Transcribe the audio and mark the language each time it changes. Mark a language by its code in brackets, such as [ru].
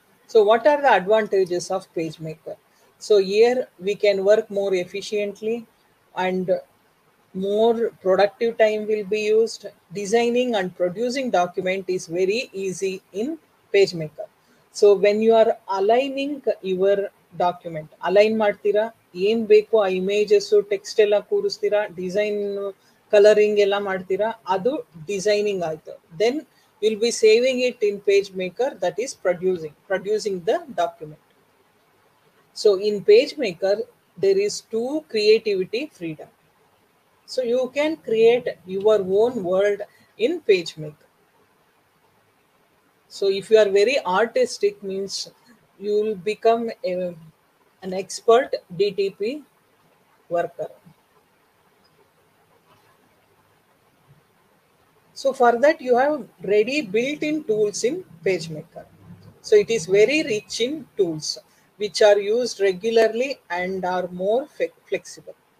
[en] So, what are the advantages of page maker? So, here we can work more efficiently and more productive time will be used. Designing and producing document is very easy in page maker. So, when you are aligning your document, align [kn] martira. ಏನ್ ಬೇಕು ಆ images text ಎಲ್ಲ ಕೂರಿಸ್ತೀರಾ, design colouring ಎಲ್ಲ ಮಾಡ್ತೀರಾ, ಅದು designing ಆಯ್ತು. [en] Then will be saving it in PageMaker, that is producing the document. So in PageMaker there is too creativity freedom. So you can create your own world in PageMaker. So if you are very artistic, means you will become an expert DTP worker. So for that you have ready built-in tools in PageMaker. So it is very rich in tools which are used regularly and are more flexible.